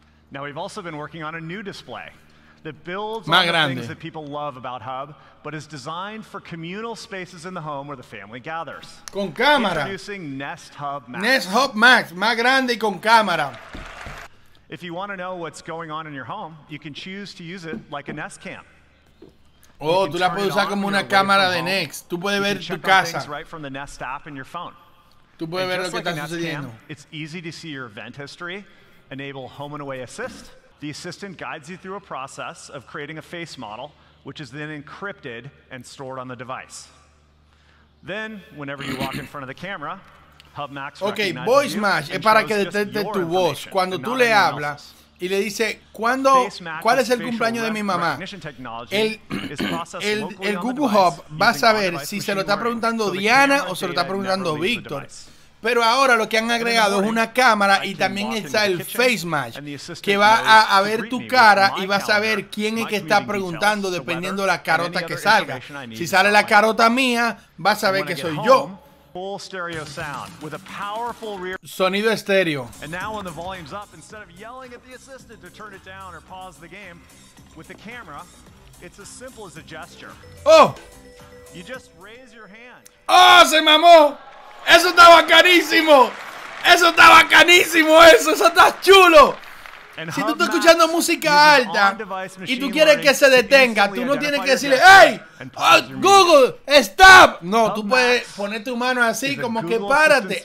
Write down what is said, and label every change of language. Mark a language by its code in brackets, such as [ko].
[en] Now we've also been working on a new display that builds all the things that people love about Hub, but is designed for communal spaces in the home where the family gathers. [es] Con cámara. [en] Introducing Nest Hub Max. [es] Nest Hub Max, más grande y con cámara. [en] If you want to know what's going on in your home, you can choose to use it like a Nest Cam. [es] Oh, tú la puedes usar como una cámara de Nest. Tú puedes ver tu casa. [en] Right from the Nest app in your phone. [es] Tú puedes ver lo que está sucediendo. [en] It's easy to see your event history, enable home and away assist. The assistant guides you through a process of creating a face model, which is then encrypted and stored on the device. Then, whenever you walk in front of the camera, Hub Max recognizes you. [es] Voice match es para que detecte tu voz cuando tú le hablas. Y le dice, ¿cuándo, ¿cuál es el cumpleaños de mi mamá? El Google Hub va a saber si se lo está preguntando Diana o se lo está preguntando Víctor. Pero ahora lo que han agregado es una cámara y también está el Face Match, que va a ver tu cara y va a saber quién es que está preguntando dependiendo de la carota que salga. Si sale la carota mía, va a saber que soy yo. [en] Full stereo sound with a powerful rear [es] sonido estéreo. [en] And now when the volume's up, instead of yelling at the assistant to turn it down or pause the game, with the camera, it's as simple as a gesture. Oh! You just raise your hand. [es] Oh, se mamó! Eso está bacanísimo! Eso está bacanísimo eso! Eso está chulo! And si tú estás escuchando música alta y tú quieres que se detenga, tú no tienes que decirle, [en] ¡Hey! ¡Google! ¡Stop! [es] No, tú puedes poner tu mano así como que párate.